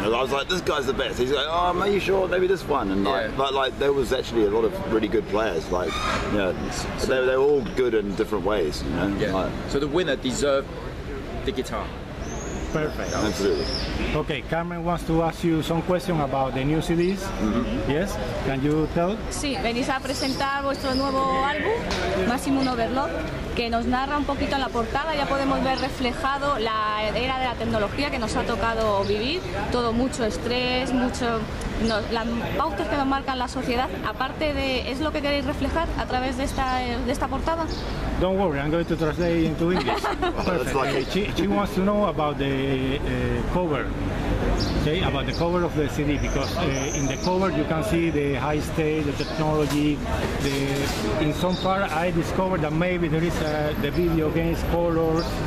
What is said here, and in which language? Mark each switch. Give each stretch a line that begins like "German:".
English: I was like, this guy's the best. He's like, oh, are you sure? Maybe this one. And but there was actually a lot of really good players. Like, you know, they were all good in different ways. You know? Yeah. So the winner deserved the guitar. Perfect. Absolutely. Okay, Carmen wants to ask you some question about the new CDs. Mm-hmm. Yes? Can you tell?
Spanish: Sí, venís a presentar vuestro nuevo álbum, Máximo Overlock, que nos narra un poquito en la portada, ya podemos ver reflejado la era de la tecnología que nos ha tocado vivir, todo mucho estrés, las pautas que nos marcan la sociedad, aparte de, ¿es lo que queréis reflejar a través de esta portada?
English: Don't worry, I'm going to translate into English. she wants to know about the cover. Okay, about the cover of the CD, because in the cover you can see the high stage, the technology. In some part, I discovered that maybe there is the video games colors.